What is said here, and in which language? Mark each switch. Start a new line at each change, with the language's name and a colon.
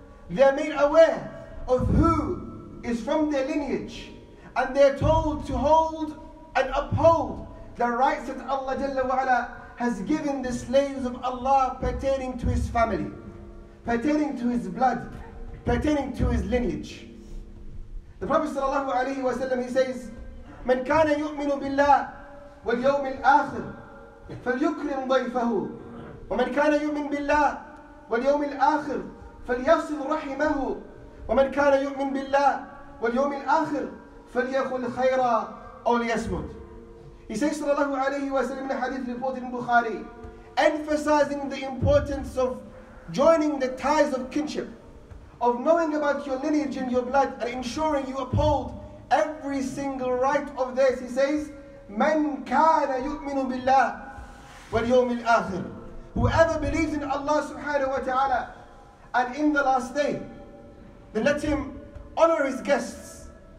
English: They are made aware of who is from their lineage, and they are told to hold and uphold the rights that Allah jalla wa ala has given the slaves of Allah pertaining to his family, pertaining to his blood, pertaining to his lineage. The Prophet sallallahu alayhi wa sallam, he says,
Arabic: مَنْ كَانَ يُؤْمِنُ بِاللَّهِ وَالْيَوْمِ الْآخِرِ فَلْيُكْرِمْ ضَيْفَهُ وَمَنْ كَانَ يُؤْمِنُ بِاللَّهِ وَالْيَوْمِ الْآخِرِ فَلْيَصِلْ رَحِمَهُ وَمَنْ كَانَ يُؤْمِنُ بِاللَّهِ وَالْيَوْمِ الْآخِرِ فَلْيَقُلْ خَيْرًا أَوْ لِيَصْمُتْ.
English: He says sallallahu alayhi wa sallam in the hadith reported in Bukhari, emphasizing the importance of joining the ties of kinship, of knowing about your lineage and your blood, and ensuring you uphold every single right of theirs. He says,
Arabic: مَنْ كَانَ يُؤْمِنُ بِاللَّهِ وَالْيَوْمِ الْآخِرِ,
English: whoever believes in Allah subhanahu wa ta'ala and in the last day, then let him honor his guests.